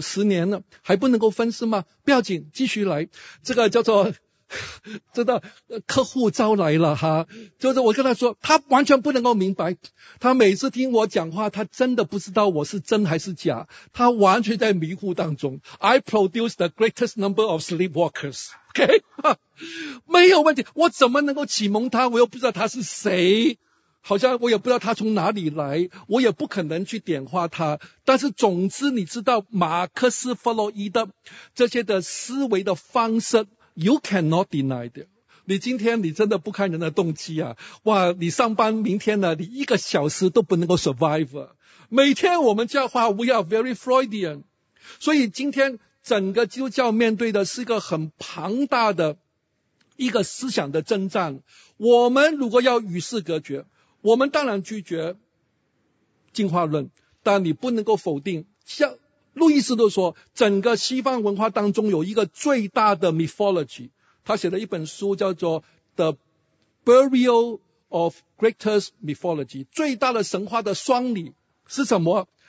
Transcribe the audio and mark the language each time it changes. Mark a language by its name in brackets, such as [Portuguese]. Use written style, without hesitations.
[Chinese] 十年了还不能够分是吗？不要紧，继续来。这个叫做真的客户招来了哈，就是我跟他说，他完全不能够明白，他每次听我讲话他真的不知道我是真还是假，他完全在迷糊当中。 [English] I produce the greatest number of sleepwalkers OK [Chinese] 没有问题，我怎么能够启蒙他？我又不知道他是谁，好像我也不知道他从哪里来，我也不可能去点化他。但是总之你知道马克思弗洛伊德这些的思维的方式 [English] You cannot deny it. [Chinese] 你今天你真的不看人的动机啊，哇，你上班明天呢，你一个小时都不能够 survive。每天我们教化 [English] we are very Freudian. [Chinese] 所以今天整个基督教面对的是一个很庞大的一个思想的征战。我们如果要与世隔绝，我们当然拒绝进化论，但你不能够否定像路易斯都说，整个西方文化当中有一个最大的 mythology， 他写了一本书叫做 The Burial of Greatest Mythology， 最大的神话的丧礼是什么？